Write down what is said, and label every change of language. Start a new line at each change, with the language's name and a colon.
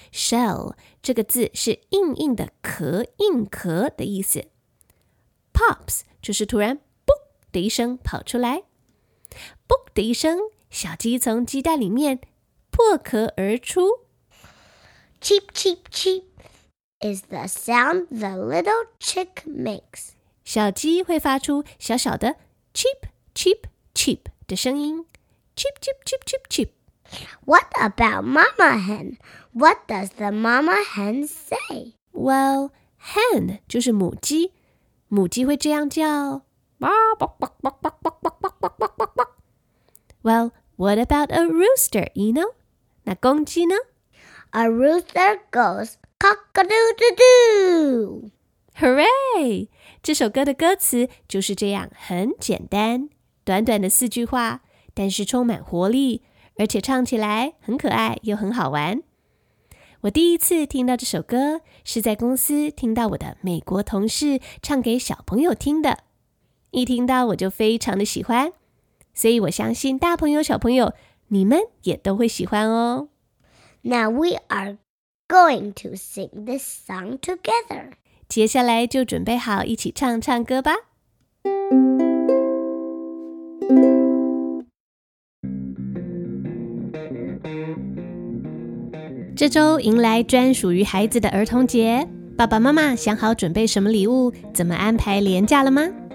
Chinese: Shell, 这个字是硬硬的壳、硬壳的意思。 Pops, 就是突然嘣的一声跑出来。嘣的一声，小鸡从鸡蛋里面破壳而出。
English: Cheep, cheep, cheep is the sound the little chick makes.
Chinese: 小鸡会发出小小的 cheep, cheep, cheep 的声音。
English: Cheep, cheep, cheep, cheep, cheep. What about mama hen? What does the mama hen say?
Chinese: Well, hen 就是母鸡。母鸡会这样叫。
English: Well, what about a rooster, Eno?
Chinese: 那公鸡呢？
English: A rooster goes cock-a-doodle-doo. Hooray!
Chinese: 这首歌的歌词就是这样，很简单，短短的四句话，但是充满活力，而且唱起来很可爱又很好玩。我第一次听到这首歌，是在公司听到我的美国同事唱给小朋友听的。一听到我就非常的喜欢，所以我相信大朋友小朋友，你们也都会喜欢哦。
English: Now we are going to sing this song together.
Chinese: 接下来就准备好一起唱唱歌吧。这周迎来专属于孩子的儿童节，爸爸妈妈想好准备什么礼物，怎么安排连假了吗？